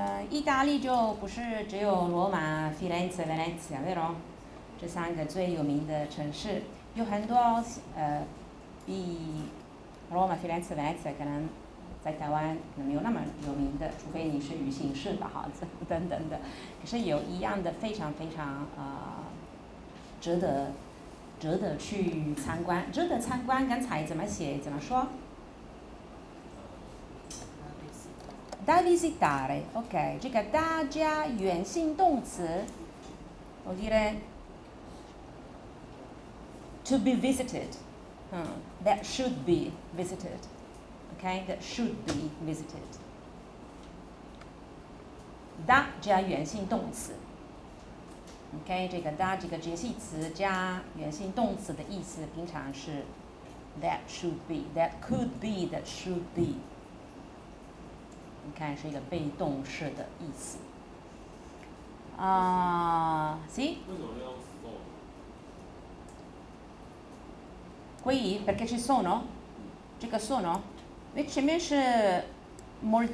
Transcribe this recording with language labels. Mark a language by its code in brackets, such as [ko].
[zh] 意大利就不是只有罗马、Firenze、Venezia、Verona 这三个最有名的城市，有很多比罗马、Firenze、Venezia 可能在台湾可能没有那么有名的，除非你是旅行社吧，哈，等等的。可是有一样的非常非常值得去参观，值得参观。刚才怎么写？怎么说？ [it] Da visitare, [en] ok, [zh] 这个 da 加原形动词，我记得 [en] to be visited, that should be visited, ok, that should be visited. [zh] Da 加原形动词， ok, 这个 da 这个解析词加原形动词的意思，平常是 [en] that should be, that could be, that should be. [zh] 你看是一个被动式的意思啊，行。为什么要 [it] sono？ Qui perché ci sono？ [zh] 这个 [it] sono？ [zh] 那前面是 moltissime。